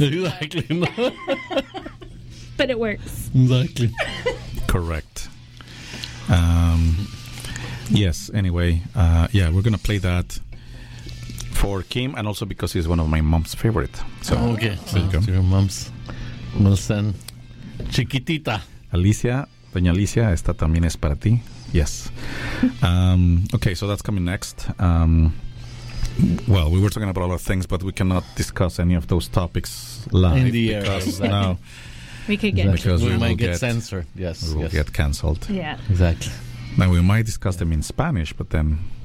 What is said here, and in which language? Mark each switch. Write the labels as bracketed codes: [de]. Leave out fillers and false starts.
[en] Exactly. But it works. Exactly. Correct. Yes, anyway, we're going to play that for Kim, and also because he's one of my mom's favorite. So, okay, so to your mom's. We'll send Chiquitita. [es] Alicia, Doña Alicia, esta también es para ti. [en] Yes. Okay, so that's coming next. We were talking about a lot of things, but we cannot discuss any of those topics live. In the air, exactly. Now, we could get because we might get censored. Yes, we will yes. get canceled. Yeah, exactly. Now, we might discuss them in Spanish, but then...